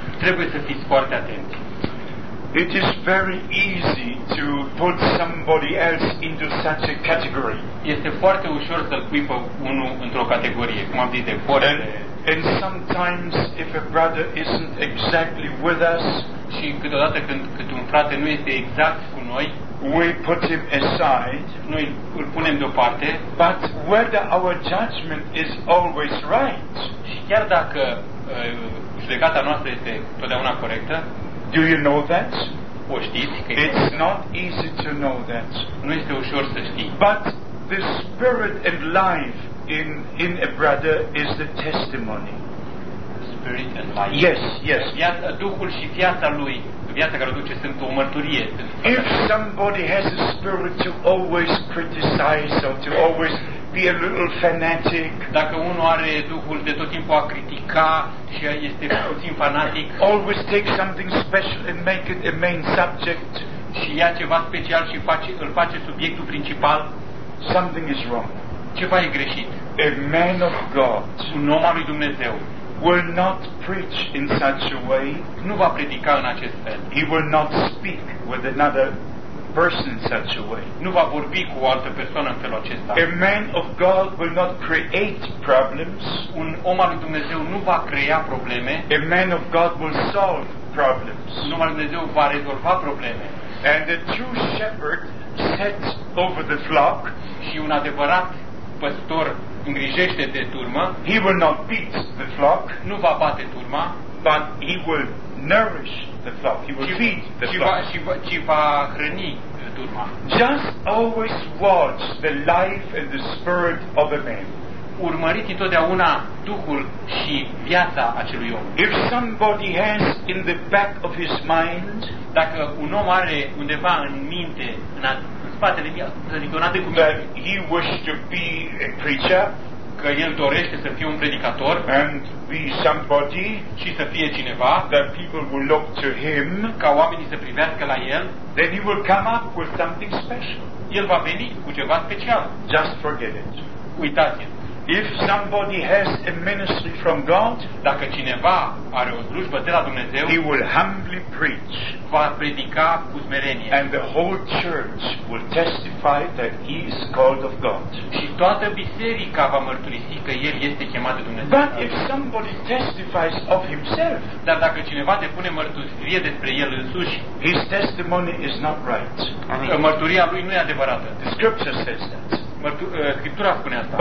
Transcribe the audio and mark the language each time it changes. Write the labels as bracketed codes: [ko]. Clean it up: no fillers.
[ro] Trebuie să fiți foarte atenți. [en] It is very easy to put somebody else into such a category. [ro] Este foarte ușor să-l pui pe unul într-o categorie, cum am zis de Corey. [en] And sometimes if a brother isn't exactly with us, [ro] și câteodată când un frate nu este exact cu noi, [en] we put him aside, [ro] noi îl punem deoparte, [en] but whether our judgment is always right, [ro] și chiar dacă judecata noastră este totdeauna corectă, [en] do you know that? [ro] O știți că [en] it's not easy to know that. [ro] Nu este ușor să știi. [en] But the spirit and life in a brother is the testimony. Spirit and life. Yes. [ro] Duhul și viața lui, viața care o duce, sunt o mărturie. [en] If somebody has a spirit to always criticize or to always be a little fanatic, [ro] dacă unul are duhul de tot timpul a critica și este puțin fanatic, [en] always take something special and make it a main subject, [ro] și ia ceva special și îl face subiectul principal, [en] something is wrong. [ro] Ceva e greșit. [en] A man of God, [ro] un om al lui Dumnezeu, [en] will not preach in such a way. [ro] Nu va predica în acest fel. [en] He will not speak with another person in such a way. [ro] Nu va vorbi cu o altă persoană în felul acesta. [en] A man of God will not create problems. [ro] Un om al lui Dumnezeu nu va crea probleme. [en] A man of God will solve problems. [ro] Un om al lui Dumnezeu va rezolva probleme. [en] And a true shepherd sets over the flock. [ro] Și un adevărat păstor îngrijește de turmă. [en] He will not beat the flock. [ro] Nu va bate turma. [en] But he will nourish the flock. He will feed the flock. [ro] Ci va hrăni turma. [en] Just always watch the life and the spirit of a man. [ro] Urmăriți întotdeauna duhul și viața acelui om. [en] If somebody has in the back of his mind, [ro] dacă un om are undeva în minte, spatele ridicate cu minte, [en] he wish to be a preacher, [ro] că el dorește să fie un predicator, [en] and be somebody, [ro] și să fie cineva, [en] that people will look to him, [ro] ca oamenii să privească la el, [en] then he will come up with something special. [ro] El va veni cu ceva special. [en] Just forget it. [ro] Uitați-l. [en] If somebody has a ministry from God, [ro] dacă cineva are o slujbă de la Dumnezeu, [en] he will humbly preach, [ro] va predica cu smerenie, [en] and the whole church will testify that he is called of God. [ro] Și toată biserica va mărturisi că el este chemat de Dumnezeu. [en] But if somebody testifies of himself, [ro] dar dacă cineva depune mărturie despre el însuși, [en] his testimony is not right. [ro] Mărturia lui nu e adevărată. [en] The scripture says that. [ro] Scriptura spune asta.